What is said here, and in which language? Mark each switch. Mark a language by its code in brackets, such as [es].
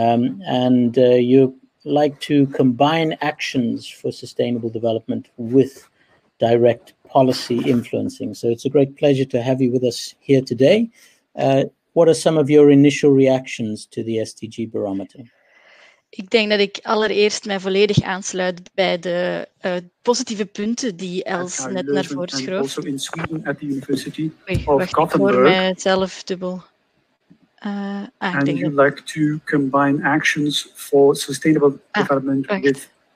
[en] You like to combine actions for sustainable development with direct policy influencing. So it's a great pleasure to have you with us here today. What are some of your initial reactions to the SDG barometer? [nl] Ik denk dat ik allereerst mij volledig aansluit bij de positieve punten die Els net naar voren schroef. [en] Also in Sweden at the University of Gothenburg. [nl] Wacht, ik hoor mij zelf dubbel. [en] And you like to combine actions for sustainable development with